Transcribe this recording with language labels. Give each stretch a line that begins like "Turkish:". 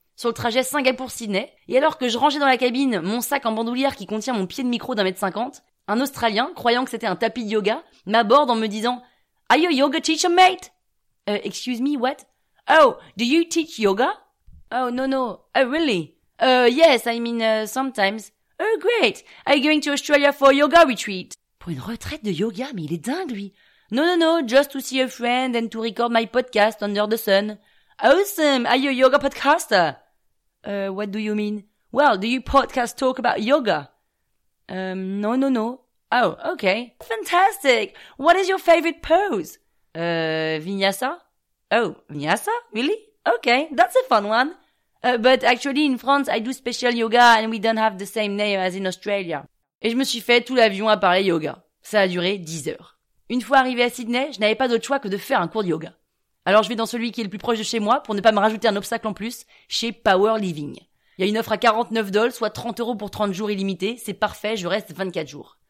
French: Sur le trajet Singapour-Sydney, et alors que je rangeais dans la cabine mon sac en bandoulière qui contient mon pied de micro d'1m50, un Australien, croyant que c'était un tapis de yoga, m'aborde en me disant «
English: Are you a yoga teacher, mate ?»« Excuse me, what ?»« Oh, do you teach yoga ?»« Oh, no, no. Oh, really ?»« Yes, I mean, sometimes. »« Oh, great. Are you going to Australia for a yoga retreat ?»
French: Pour une retraite de yoga, mais il est dingue, lui.
English: « No, no, no. Just to see a friend and to record my podcast under the sun. » Awesome! Are you a yoga podcaster? What do you mean? Well, do you podcast talk about yoga? No, no, no. Oh, okay. Fantastic! What is your favorite pose? Vinyasa? Oh, Vinyasa? Really? Okay, that's a fun one. But actually, in France, I do special yoga and we don't have the same name as in Australia.
French: Et je me suis fait tout l'avion à parler yoga. Ça a duré 10 heures. Une fois arrivé à Sydney, je n'avais pas d'autre choix que de faire un cours de yoga. Alors je vais dans celui qui est le plus proche de chez moi pour ne pas me rajouter un obstacle en plus, chez Power Living. Il y a une offre à 49$, soit 30€ pour 30 jours illimités, c'est parfait, je reste 24 jours.